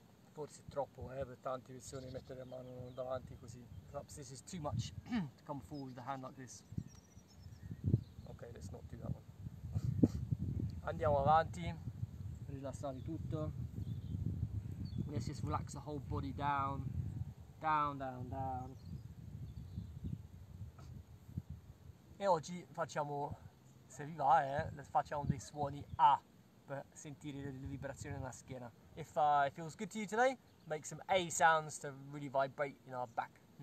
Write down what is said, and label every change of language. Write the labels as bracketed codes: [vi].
[it] Forse è troppo, per tante persone mettere la mano davanti così. [en] Perhaps this is too much to come forward with the hand like this. Okay, let's not do that one. [it] Andiamo avanti. Rilassati tutto. [en] Let's just relax the whole body down. Down, down, down. [it] E oggi facciamo, se vi va, facciamo dei suoni A per sentire le vibrazioni nella schiena. [en] If it feels good to you today, make some A sounds to really vibrate in our back.